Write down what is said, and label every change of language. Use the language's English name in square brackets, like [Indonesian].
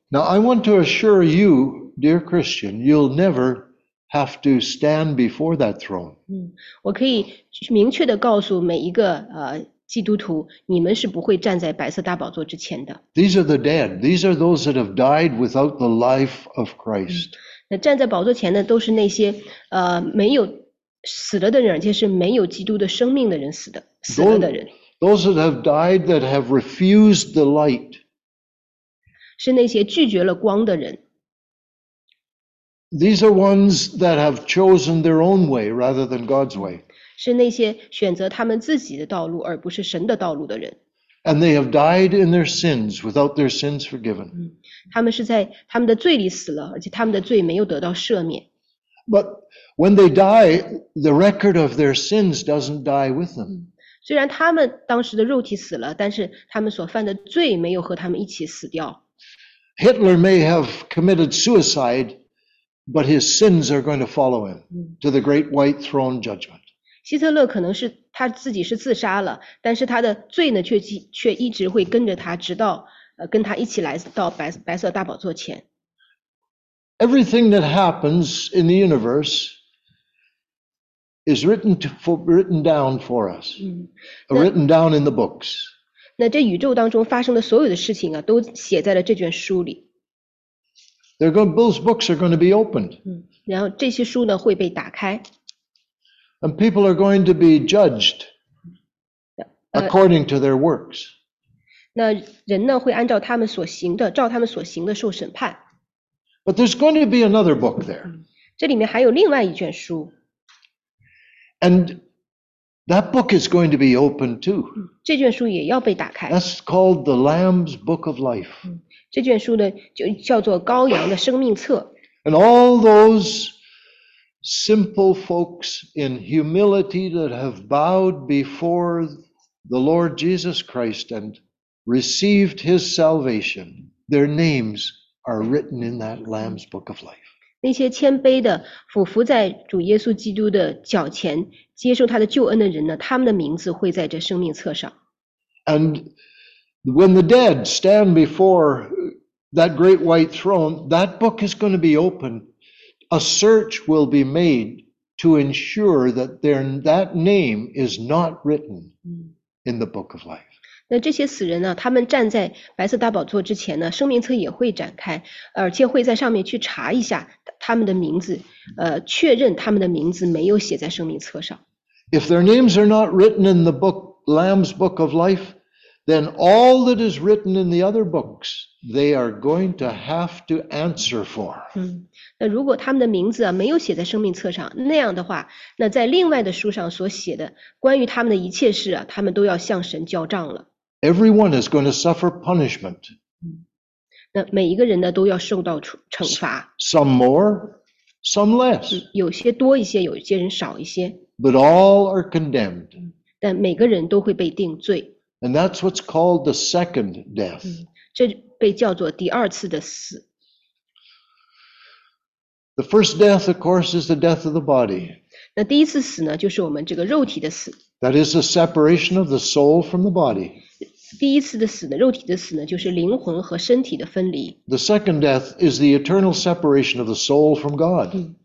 [English] Now I want to assure you, dear Christian, you'll never. Have to stand before that throne. [Chinese] 我可以明确地告诉每一个基督徒，你们是不会站在白色大宝座之前的。 [English] These are the dead. These are those that have died without the life of Christ. [Chinese] 那站在宝座前的都是那些没有死了的人，而且是没有基督的生命的人死的死了的人。 [English] Those that have died that have refused the light. [Chinese] 是那些拒绝了光的人。 [English] These are ones that have chosen their own way rather than God's way. [Chinese] 是那些选择他们自己的道路而不是神的道路的人。 [English] And they have died in their sins without their sins forgiven. [Chinese] 他们是在他们的罪里死了，而且他们的罪没有得到赦免。 [English] But when they die, the record of their sins doesn't die with them. [Chinese] 虽然他们当时的肉体死了，但是他们所犯的罪没有和他们一起死掉。 [English] Hitler may have committed suicide. But his sins are going to follow him to the great white throne judgment. [Chinese] 希特勒可能是他自己是自杀了，但是他的罪呢，却一直会跟着他，直到跟他一起来到白色大宝座前。 [English] Everything that happens in the universe is written down for us, written down in the books. [Chinese] 那这宇宙当中发生的所有的事情啊，都写在了这卷书里。 [English] They're going, those books are going to be opened. [Chinese] 然后这些书呢会被打开。 [English] And people are going to be judged according to their works. [Chinese] 那人呢会按照他们所行的，照他们所行的受审判。 [English] But there's going to be another book there. [Chinese] 这里面还有另外一卷书。 [English] And that book is going to be opened too. [Chinese] 这卷书也要被打开。 [English] That's called the Lamb's Book of Life. [Chinese] 这卷书呢就叫做羔羊的生命册。 [English] And all those simple folks in humility that have bowed before the Lord Jesus Christ and received his salvation, their names are written in that Lamb's Book of Life. [Chinese] 那些谦卑的俯伏在主耶稣基督的脚前接受他的救恩的人呢，他们的名字会在这生命册上。 [English] And when the dead stand before that great white throne, that book is going to be opened. A search will be made to ensure that that name is not written in the book of life. [Chinese] 那这些死人呢，他们站在白色大宝座之前呢，生命册也会展开，而且会在上面去查一下他们的名字，确认他们的名字没有写在生命册上。 [English] If their names are not written in the book, Lamb's book of life, then all that is written in the other books, they are going to have to answer for. [Chinese] 那如果他们的名字、啊、没有写在生命册上，那样的话，那在另外的书上所写的关于他们的一切事、啊、他们都要向神交账了。 [English] Everyone is going to suffer punishment. [Chinese] 那每一个人呢都要受到惩罚。 [English] Some more, some less. [Chinese] 有些多一些，有些人少一些。 [English] But all are condemned. [Chinese] 但每个人都会被定罪。 [English] And that's what's called the second death. [Chinese] 这被叫做第二次的死。 [English] The first death, of course, is the death of the body. [Chinese] 那第一次死呢，就是我们这个肉体的死。 [English] That is the separation of the soul from the body. [Chinese] 第一次的死呢，肉体的死呢，就是灵魂和身体的分离。 [English] The second death is the eternal separation of the soul from God.